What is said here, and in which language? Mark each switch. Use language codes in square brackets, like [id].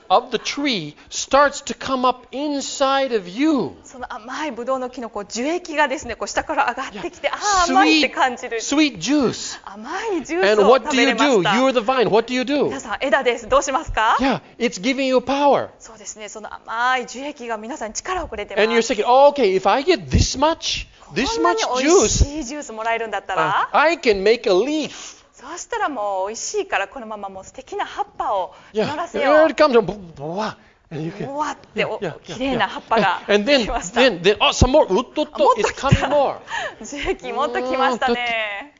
[en] Of the tree starts to come up inside of you. [ja] その甘いブドウの木のこう樹液がですね、こう下から上がってきて、yeah. ああ甘いって感じる。 [en] Sweet juice. [ja] 甘いジュースを食べれました。 [en] And what do you do? You're the vine. What do you do? [ja] 皆さん枝です。どうしますか [en] ？Yeah, it's giving you power. [ja] そうですね。その甘い樹液が皆さんに力をくれてます。 [en] And you're thinking,、oh, okay, if I get this much, this much juice, [ja] こんなに美味しいジュースもらえるんだったら、 [en] I can make a leaf. [ja] そうしたらもう美味しいからこのままもう素敵な葉っぱを乗らせよう。 [en] Yeah, here it comes. [ja] ブワッ。ブワッて綺麗な葉っぱが出てきました。 [en] And then, some more. [ja] もっと来た。樹液もっと来ましたね。